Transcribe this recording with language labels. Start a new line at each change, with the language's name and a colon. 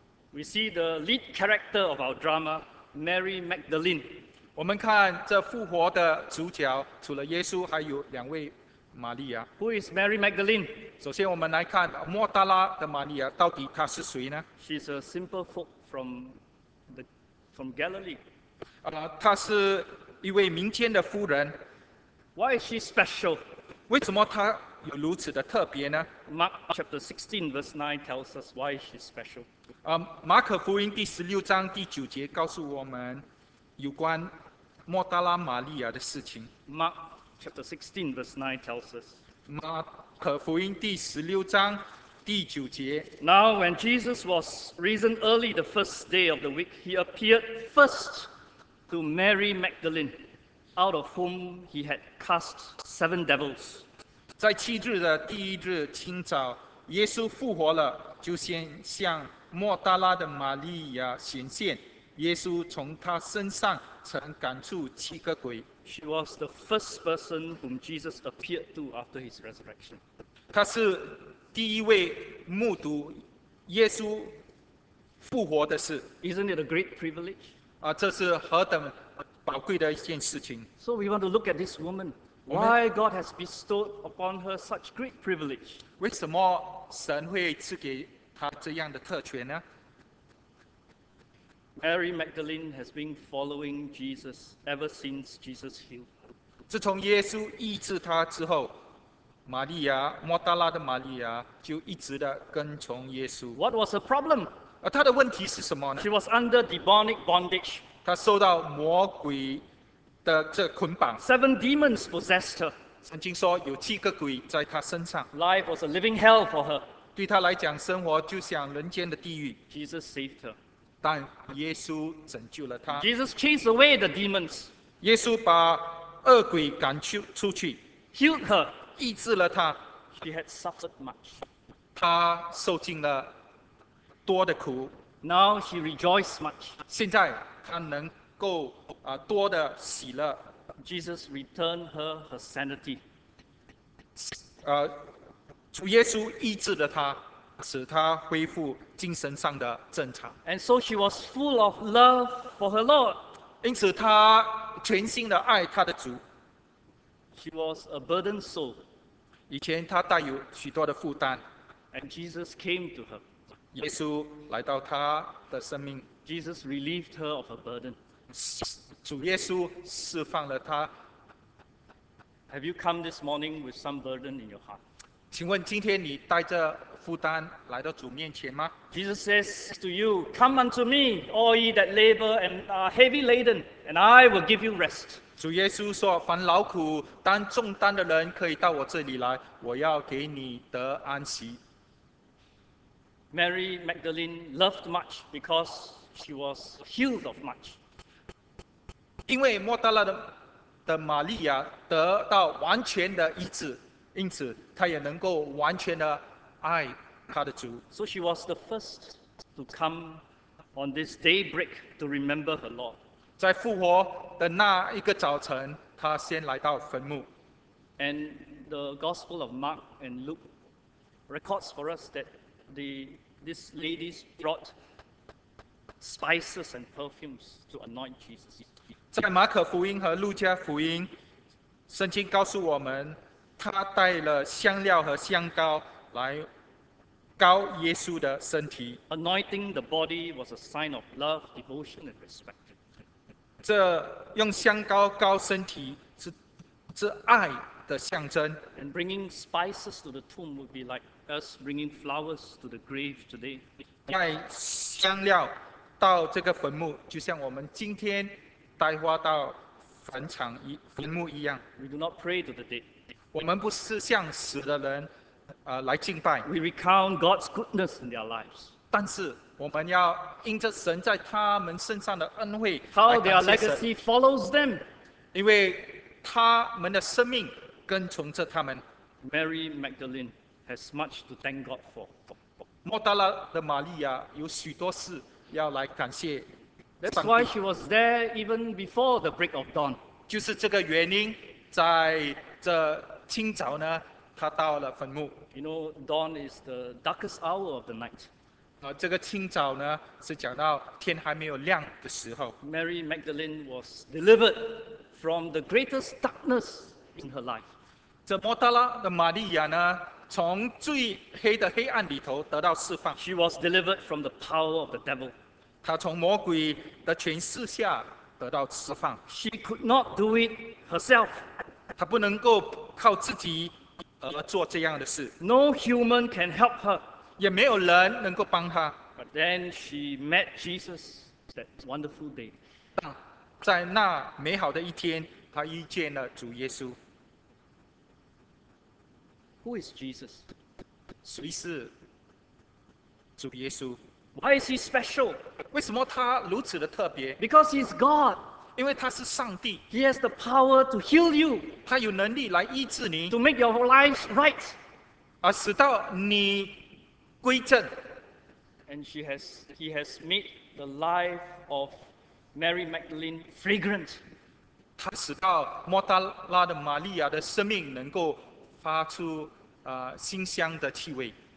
English: We see the lead character of our drama, Mary Magdalene.
Chinese: 我们看这复活的主角，除了耶稣，还有两位玛利亚。
English: Who is Mary Magdalene?
Chinese: 首先，我们来看莫大拉的玛利亚到底她是谁呢
English: ？She's a simple folk from Galilee.
Chinese: 她是一位民间的夫人。
English: Why is she special?
Chinese: 为什么她有如此的特别呢
English: ？Mark chapter 16 verse 9 tells us why she's special.
Chinese: 马可福音第十六章第九节告诉我们有关莫大拉玛利亚的事情。
English: Mark chapter 16 verse 9 tells us.
Chinese: 马可福音第十六章第九节。
English: Now when Jesus was risen early the first day of the week, he appeared first to Mary Magdalene, out of whom he had cast seven devils.
Chinese: 在七日的第一日清早，耶稣复活了，就先向莫大拉的玛利亚显现。耶稣从她身上曾赶出七个鬼。
English: She was the first person whom Jesus appeared to after his resurrection.
Chinese: 她是第一位目睹耶稣复活的事。
English: Isn't it a great privilege?
Chinese: 这是何等宝贵的一件事情。
English: So we want to look at this woman. Why God has bestowed upon her such great privilege?
Chinese: 为什么神会赐给她这样的特权呢？
English: Mary Magdalene has been following Jesus ever since Jesus healed.
Chinese: 自从耶稣医治她之后，玛利亚，莫大拉的玛利亚就一直的跟从耶稣。
English: What was her problem?
Chinese: 她的问题是什么呢
English: ？She was under demonic bondage.
Chinese: 她受到魔鬼的这捆绑。
English: Seven demons possessed her.
Chinese: 圣经说有七个鬼在她身上。
English: Life was a living hell for her.
Chinese: 对她来讲，生活就像人间的地狱。
English: Jesus saved her.
Chinese: 但耶稣拯救了她。
English: Jesus chased away the demons.
Chinese: 耶稣把恶鬼赶出去。
English: Healed her.
Chinese: 医治了他
English: She had suffered much.
Chinese: 他受尽了多的苦
English: Now she rejoiced much.
Chinese: 现在他能够多的喜乐
English: Jesus returned her sanity.
Chinese: 主耶稣医治了他使他恢复精神上的正常
English: And so she was full of love for her Lord.
Chinese: 因此他全心的爱他的主
English: She was a burdened soul.
Chinese: 以前他带有许多的负担
English: ，and Jesus came to her.
Chinese: 耶稣来到他的生命
English: ，Jesus relieved her of her burden.
Chinese: 主耶稣释放了他。
English: Have you come this morning with some burden in your heart?
Chinese: 请问今天你带着负担来到主面前吗
English: ？Jesus says to you, "Come unto me, all ye that labor and are heavy laden, and I will give you rest."
Chinese: 主耶稣说：“凡劳苦担重担的人，可以到我这里来，我要给你得安息。”
English: Mary Magdalene loved much because she was healed of much.
Chinese: 因为抹大拉 的玛利亚得到完全的医治，因此她也能够完全的爱她的主。
English: So she was the first to come on this daybreak to remember her Lord.
Chinese: 在复活的那一个早晨，她先来到坟墓。
English: And the Gospel of Mark and Luke records for us that these ladies brought spices and perfumes to anoint Jesus.
Chinese: 在马可福音和路加福音，圣经告诉我们，他带了香料和香膏来膏耶稣的身体。
English: Anointing the body was a sign of love, devotion, and respect.
Chinese: 这用香膏膏身体是爱的象征。
English: And bringing spices to the tomb would be like us bringing flowers to the grave today.
Chinese: 带香料到这个坟墓，就像我们今天带花到坟墓一样。
English: We do not pray to the dead.
Chinese: 我们不是向死的人来敬拜。
English: We recount God's goodness in their lives.
Chinese: 但是我们要因着神在他们身上的恩惠来感谢神。
English: How their legacy follows them.
Chinese: 因为他们的生命跟从着他们。
English: Mary Magdalene has much to thank God for.
Chinese: 抹大拉的玛利亚有许多事要来感谢。
English: That's why she was there even before the break of dawn.
Chinese: 就是这个原因，在这清早呢，她到了坟墓。
English: You know, dawn is the darkest hour of the night.
Chinese: 这个清早呢，是讲到天还没有亮的时候。
English: Mary Magdalene was delivered from the greatest darkness in her life.
Chinese: 这抹大拉的玛利亚呢，从最黑的黑暗里头得到释放。
English: She was delivered from the power of the devil.
Chinese: 她从魔鬼的权势下得到释放。
English: She could not do it herself.
Chinese: 她不能够靠自己而做这样的事。
English: No human can help her.
Chinese: 也没有人能够帮她。
English: But then she met Jesus that wonderful day.
Chinese: 在那美好的一天，她遇见了主耶稣。
English: Who is Jesus?
Chinese: 谁是主耶稣？
English: Why is he special?
Chinese: 为什么他如此的特别？
English: Because he is God.
Chinese: 因为他是上帝。
English: He has the power to heal you.
Chinese: 他有能力来医治你。
English: To make your life right.
Chinese: 而使到你归正。
English: And he has made the life of Mary Magdalene fragrant.
Chinese: 他使到抹大拉的玛利亚的生命能够发出馨香的气味。